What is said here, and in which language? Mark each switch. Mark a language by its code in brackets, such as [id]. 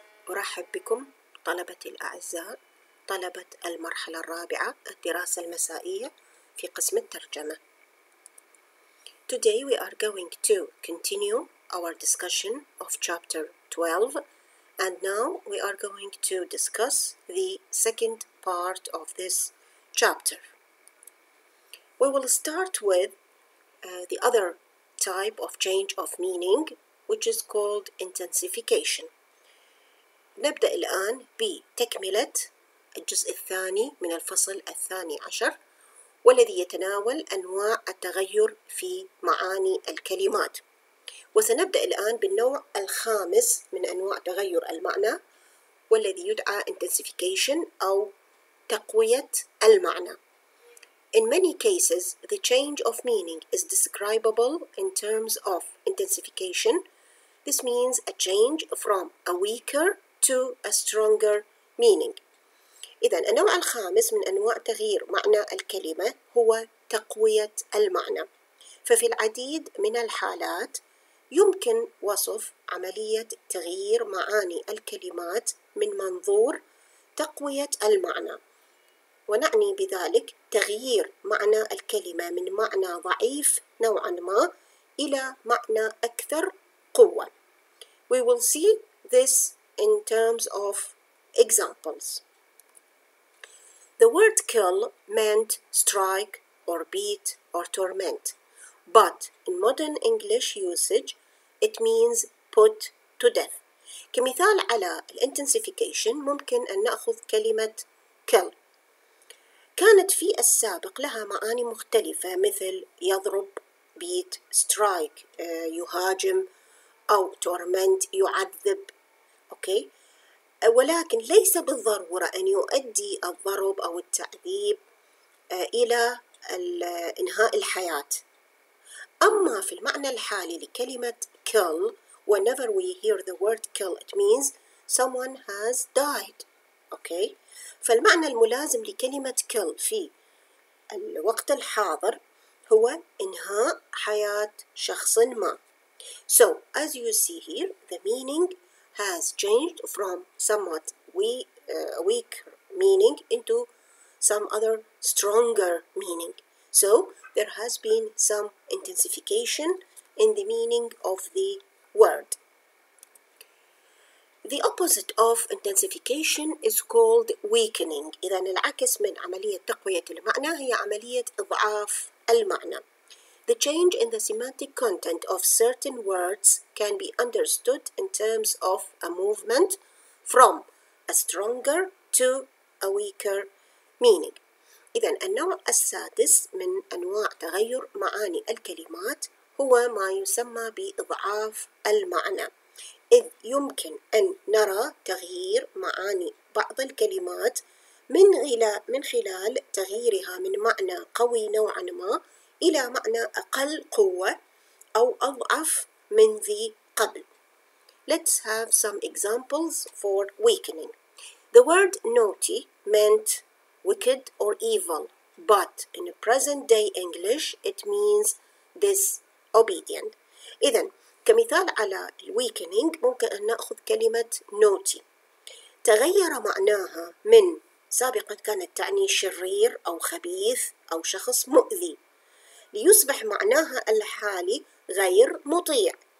[ar] أرحب بكم طلبة الأعزاء طلبة المرحلة الرابعة الدراسة المسائية في قسم الترجمة. [en] Today we are going to continue our discussion of chapter 12 and now we are going to discuss the second part of this chapter. We will start with the other type of change of meaning which is called intensification. [ar] نبدأ الآن بتكملة الجزء الثاني من الفصل الثاني عشر والذي يتناول أنواع التغير في معاني الكلمات وسنبدأ الآن بالنوع الخامس من أنواع تغير المعنى والذي يدعى intensification أو تقوية المعنى. [en] In many cases, the change of meaning is describable in terms of intensification. This means a change from a weaker to a stronger meaning. [ar] إذا النوع الخامس من أنواع تغيير معنى الكلمة هو تقوية المعنى. ففي العديد من الحالات يمكن وصف عملية تغيير معاني الكلمات من منظور تقوية المعنى. ونعني بذلك تغيير معنى الكلمة من معنى ضعيف نوعا ما إلى معنى أكثر قوة. [en] We will see this in terms of examples. The word kill meant strike or beat or torment. But in modern English usage, it means put to death. [ar] كمثال على الانتنسيفيكيشن ممكن أن نأخذ كلمة kill. كانت في السابق لها معاني مختلفة مثل يضرب, beat, strike, يهاجم أو torment, يعذب. أوكي؟ ولكن ليس بالضرورة أن يؤدي الضرب أو التعذيب إلى إنهاء الحياة. أما في المعنى الحالي لكلمة [en] kill, whenever we hear the word kill, it means someone has died. [ar] أوكي؟ فالمعنى الملازم لكلمة kill في الوقت الحاضر هو إنهاء حياة شخص ما. [en] So, as you see here, the meaning has changed from somewhat weak meaning into some other stronger meaning. So, there has been some intensification in the meaning of the word. The opposite of intensification is called weakening. [ar] إذن العكس من عملية تقوية المعنى هي عملية إضعاف المعنى. [en] The change in the semantic content of certain words can be understood in terms of a movement from a stronger to a weaker meaning. [ar] إذن النوع السادس من أنواع تغير معاني الكلمات هو ما يسمى بإضعاف المعنى. إذ يمكن أن نرى تغيير معاني بعض الكلمات من خلال تغييرها من معنى قوي نوعا ما إلى معنى أقل قوة أو أضعف من ذي قبل. [en] Let's have some examples for weakening. The word naughty meant wicked or evil, but in present day English it means disobedient. [ar] إذن كمثال على weakening ممكن أن نأخذ كلمة naughty. تغير معناها من سابقا كانت تعني شرير أو خبيث أو شخص مؤذي. ليصبح معناها الحالي غير مطيع.